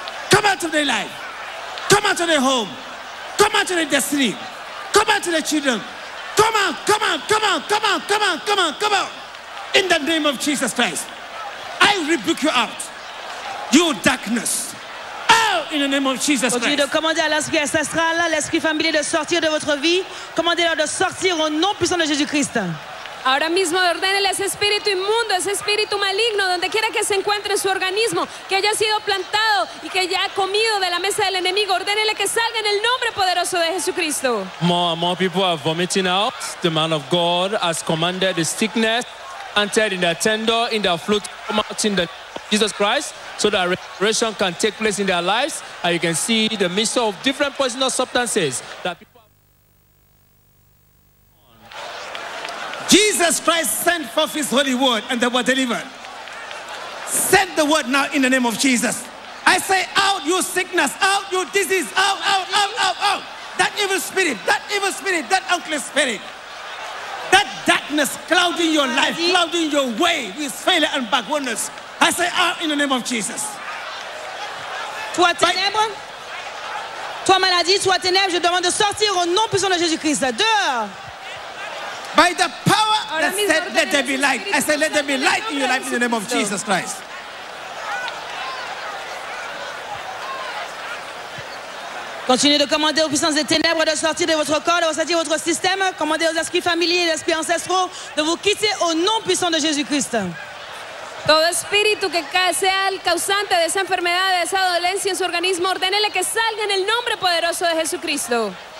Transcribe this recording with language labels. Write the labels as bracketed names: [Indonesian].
[English] Come out of their life. Come out of their home. Come out of their destiny. Come out of their children. Come out. In the name of Jesus Christ. I rebuke you out. You darkness, out in the name of Jesus Christ. [French] Au lieu de commander à l'esprit ancestral, l'esprit familier de sortir de votre vie, commandez-leur de sortir au nom puissant de Jésus-Christ. [Spanish] Ahora mismo ordénele ese espíritu inmundo, ese espíritu maligno, donde quiera que se encuentre en su organismo, que haya sido plantado y que haya comido de la mesa del enemigo, ordénele que salga en el nombre poderoso de Jesucristo. [English] More and more people are vomiting out. The man of God has commanded the sickness entered in the tender, in the flute, come out in the Jesus Christ, so that restoration can take place in their lives. And you can see the mixture of different poisonous substances that people have. Jesus Christ sent forth his holy word and they were delivered. Send the word now in the name of Jesus. I say, out you sickness, out you disease, out. That evil spirit, that unclean spirit, that darkness clouding your life, clouding your way with failure and backwardness. I say out in the name of Jesus. [French] Toi ténèbre, toi maladie, toi ténèbre, je demande de sortir au nom puissant de Jésus-Christ. Dehors. [English] By the power that said, let there be light. I say, let there be light in your life in the name of Jesus Christ. [French] Continuez de commander aux puissances des ténèbres de sortir de votre corps, de ressortir votre système. Commandez aux esprits familiers et aux esprits ancestraux de vous quitter au nom puissant de Jésus-Christ. [Spanish] Todo espíritu que sea el causante de esa enfermedad, de esa dolencia en su organismo, ordénele que salga en el nombre poderoso de Jesucristo.